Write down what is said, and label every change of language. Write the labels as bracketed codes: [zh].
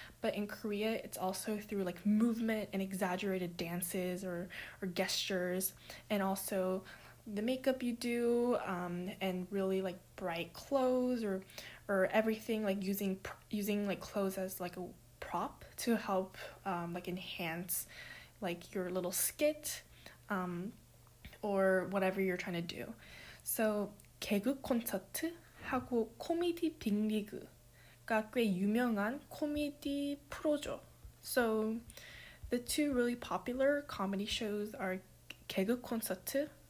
[en] But in Korea, it's also through like movement and exaggerated dances or gestures, and also the makeup you do, and really like bright clothes or everything, like using like clothes as like a prop to help like enhance like your little skit or whatever you're trying to do. [ko] So 개그 콘서트하고 코미디 빅리그가 꽤 유명한 코미디 프로죠. [en] So the two really popular comedy shows are 개그 콘서트.